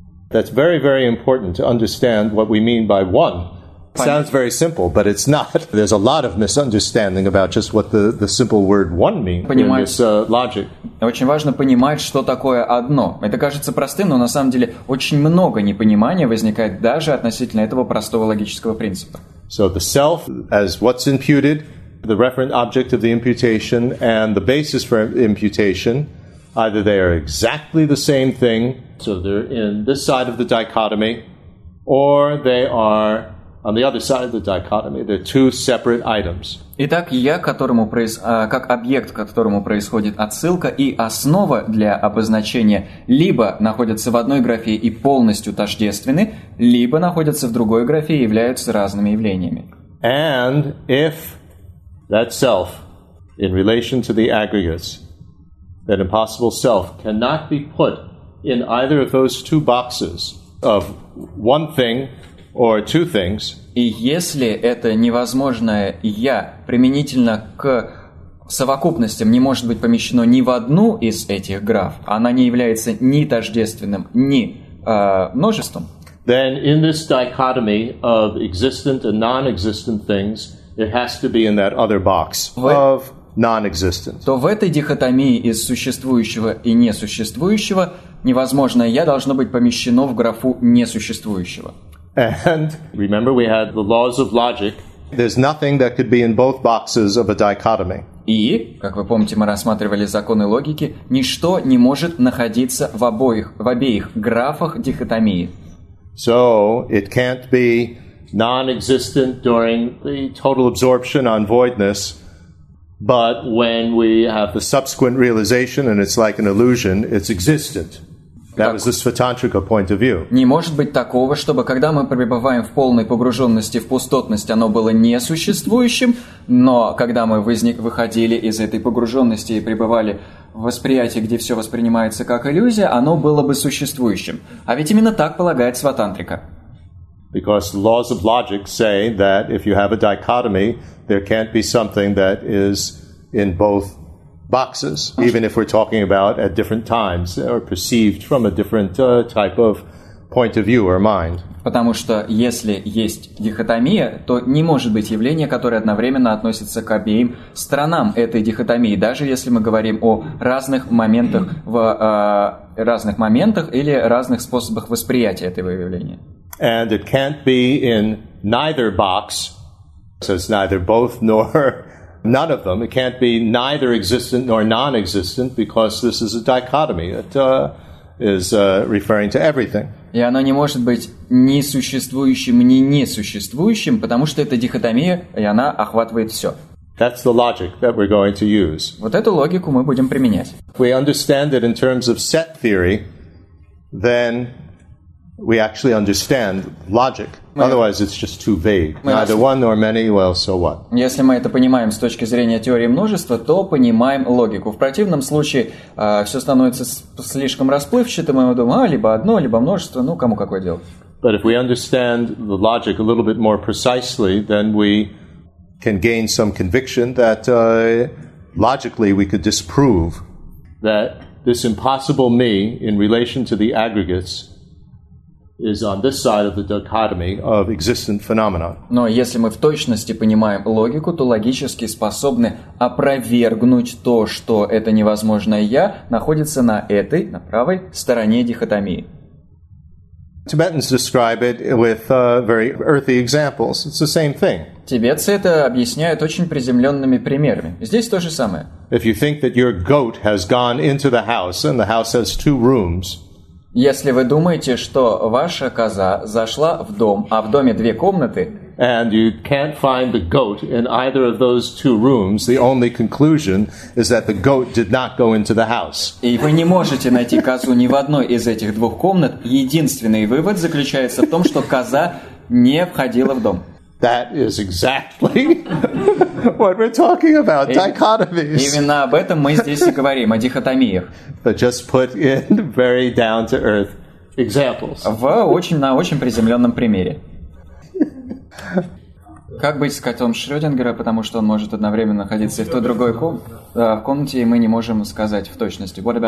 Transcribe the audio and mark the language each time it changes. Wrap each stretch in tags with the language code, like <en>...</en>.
<en>That's very, very important to understand what we mean by one. Sounds very simple, but it's not. There's a lot of misunderstanding about just what the simple word one means in this logic.</en> <ru>Очень важно понимать, что такое одно. Это кажется простым, но на самом деле очень много непонимания возникает даже относительно этого простого логического принципа.</ru> <en>So the self as what's imputed, the referent object of the imputation, and the basis for imputation, either they are exactly the same thing, so they're in this side of the dichotomy, or they are on the other side of the dichotomy. They're two separate items.</en> <ru>Итак, я, которому как объект, к которому происходит отсылка и основа для обозначения, либо находятся в одной графе и полностью тождественны, либо находятся в другой графе и являются разными явлениями.</ru> <en>And if that self, in relation to the aggregates, that impossible self cannot be put in either of those two boxes of one thing or two things.</en> <ru>И если это невозможное я применительно к совокупностям не может быть помещено ни в одну из этих граф, она не является ни тождественным, ни множеством.</ru> <en>Then in this dichotomy of existent and non-existent things, it has to be in that other box of non-existent.</en> <ru>То в этой дихотомии из существующего и несуществующего невозможное «я» должно быть помещено в графу несуществующего.</ru> <en>And remember, we had the laws of logic. There's nothing that could be in both boxes of a dichotomy.</en> <ru>И, как вы помните, мы рассматривали законы логики, ничто не может находиться в обеих графах дихотомии.</ru> <en>So, it can't be non-existent during the total absorption on voidness. But when we have the subsequent realization and it's like an illusion, it's existent. That was the Svatantrika point of view.</en> <ru>Не может быть такого, чтобы когда мы пребываем в полной погруженности в пустотность, оно было несуществующим, но когда мы выходили из этой погруженности и пребывали в восприятии, где все воспринимается как иллюзия, оно было бы существующим. А ведь именно так полагает Сватантрика.</ru> <en>Because the laws of logic say that if you have a dichotomy, there can't be something that is in both boxes, even if we're talking about at different times or perceived from a different type of point of view or mind.</en> <ru>Потому что если есть дихотомия, то не может быть явления, которое одновременно относится к обеим сторонам этой дихотомии, даже если мы говорим о разных моментах или разных способах восприятия этого явления.</ru> <en>And it can't be in neither box, so it's neither both nor none of them. It can't be neither existent nor non-existent, because this is a dichotomy. It is referring to everything.</en> <ru>И оно не может быть ни существующим, ни несуществующим, потому что это дихотомия, и она охватывает все.</ru> <en>That's the logic that we're going to use.</en> <ru>Вот эту логику мы будем применять.</ru> <en>If we understand it in terms of set theory, then we actually understand logic. Otherwise, it's just too vague. Neither one nor many, well, so what?</en> <ru>Если мы это понимаем с точки зрения теории множества, то понимаем логику. В противном случае все становится слишком расплывчатым, и мы думаем, либо одно, либо множество, ну, кому какое дело.</ru> <en>But if we understand the logic a little bit more precisely, then we can gain some conviction that logically we could disprove that this impossible me in relation to the aggregates is on this side of the dichotomy of existent phenomena.</en> <ru>Но если мы в точности понимаем логику, то логически способны опровергнуть то, что это невозможное я находится на этой, на правой стороне дихотомии.</ru> <en>Tibetans describe it with very earthy examples. It's the same thing.</en> <ru>Тибетцы это объясняют очень приземленными примерами. Здесь то же самое.</ru> <en>If you think that your goat has gone into the house and the house has two rooms.</en> <ru>Если вы думаете, что ваша коза зашла в дом, а в доме две комнаты,</ru> <en>and you can't find the goat in either of those two rooms, the only conclusion is that the goat did not go into the house.</en> <ru>И вы не можете найти козу ни в одной из этих двух комнат. Единственный вывод заключается в том, что коза не входила в дом.</ru> <en>That is exactly what we're talking about, dichotomies.</en> <ru>Именно об этом мы здесь и говорим, о дихотомиях.</ru> <en>But just put in very down-to-earth examples.</en> <ru>В очень, на очень приземленном примере. Как быть с котом Шрёдингера, потому что он может одновременно находиться и в той другой комнате, и мы не можем сказать в точности.</ru>